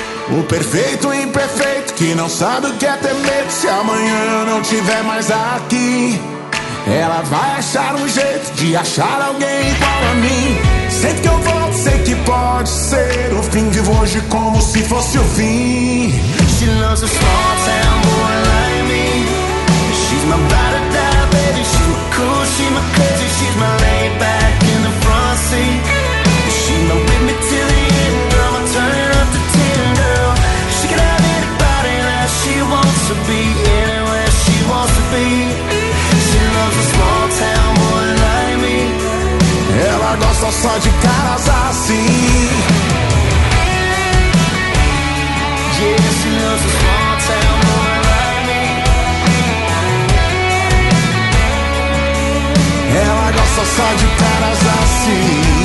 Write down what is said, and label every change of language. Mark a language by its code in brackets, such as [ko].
[pt] O perfeito e imperfeito que não sabe o que é ter medo. Se amanhã não tiver mais aqui, ela vai achar um jeito de achar alguém igual a mim. Sempre que eu volto, sei que pode ser o fim. Vivo hoje como se fosse o fim. [en] She loves a small town boy like me. She's my ride or die, baby. She's my cool, she's my crazy. She's my laid back in the front seat. She's my with me till the end, girl. I'm turning up to 10, girl. She can have anybody that she wants to be. Anywhere she wants to be. She loves a small town boy like me. [pt] Ela gosta só de caras assim. [en] Yeah, she loves a small town boy. [pt] Ela gosta só de caras assim.